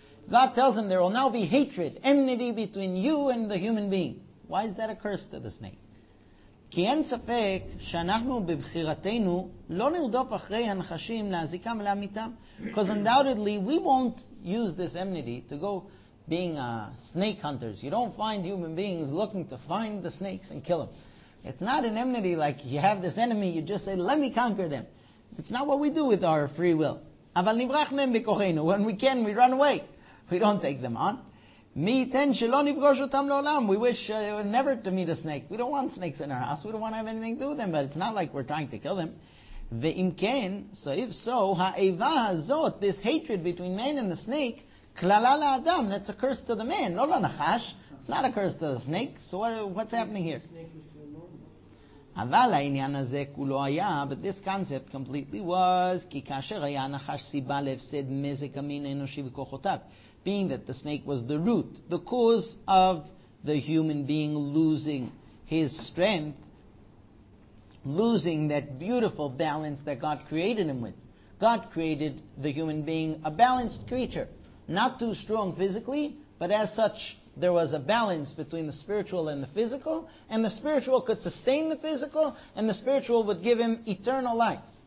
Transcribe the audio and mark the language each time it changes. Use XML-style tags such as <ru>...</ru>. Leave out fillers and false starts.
<en>God tells him there will now be hatred, enmity between you and the human being. Why is that a curse to the snake?</en> <he>כי אין ספק שאנחנו בבחירתנו לא נרדוף אחרי הנחשים להזיקם להמיתם.</he> <en>Because undoubtedly we won't use this enmity to go being snake hunters. You don't find human beings looking to find the snakes and kill them. It's not an enmity like you have this enemy, you just say, let me conquer them. It's not what we do with our free will.</en> <he>אבל נברח מהם בכוחנו.</he> <en>When we can, we run away. We don't take them on.</en> <he>מי יתן שלא נפגוש אותם לעולם.</he> <en>We wish never to meet a snake. We don't want snakes in our house. We don't want to have anything to do with them. But it's not like we're trying to kill them.</en> <he>ואם כן,</he> <en>so if so,</en> <he>האיבה הזאת,</he> <en>this hatred between man and the snake,</en> <he>כללה לאדם,</he> <en>that's a curse to the man,</en> <he>לא לנחש.</he> <en>It's not a curse to the snake. So what's happening here?</en> <he>אבל העניין הזה כולו היה,</he> <en>but this concept completely was,</en> <he>כי כאשר היה נחש סיבה להפסד מזק המין האנושי וכוחותיו.</he> <en>Being that the snake was the root, the cause of the human being losing his strength, losing that beautiful balance that God created him with. God created the human being a balanced creature, not too strong physically, but as such, there was a balance between the spiritual and the physical, and the spiritual could sustain the physical, and the spiritual would give him eternal life.</en>